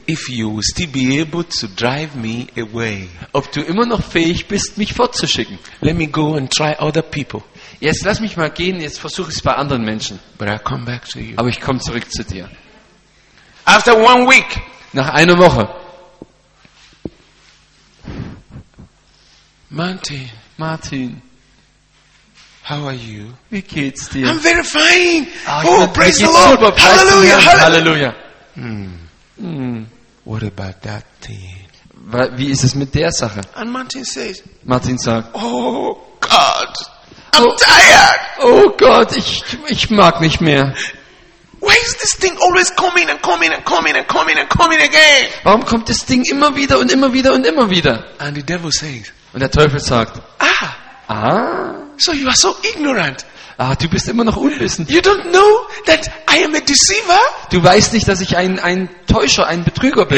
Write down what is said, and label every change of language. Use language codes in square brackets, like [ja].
[en] if you will still be able to drive me away. [de] Ob du immer noch fähig bist, mich fortzuschicken. [en] Let me go and try other people. [de] Jetzt lass mich mal gehen, jetzt versuche ich es bei anderen Menschen. [en] But I come back to you. [de] Aber ich komme zurück zu dir. [en] After 1 week. [de] Nach einer Woche. [en] Martin. How are you? [de] Wie geht's dir? [en] I'm very fine. Oh, praise the Lord. [de] Super, Halleluja. [en] What about that thing? [de] Wie ist es mit der Sache? [en] And Martin says. [de] Martin sagt. [en] Oh God, I'm tired. [de] Oh Gott, ich mag nicht mehr. [en] Why is this thing always coming again? [de] Warum kommt das Ding immer wieder und immer wieder und immer wieder? [en] And the devil says. [de] Und der Teufel sagt. [en] Ah. So you are so ignorant. [de] Ah, du bist immer noch unwissend. [en] You don't know that I am a deceiver? [de] Du weißt nicht, dass ich ein Täuscher, ein Betrüger bin.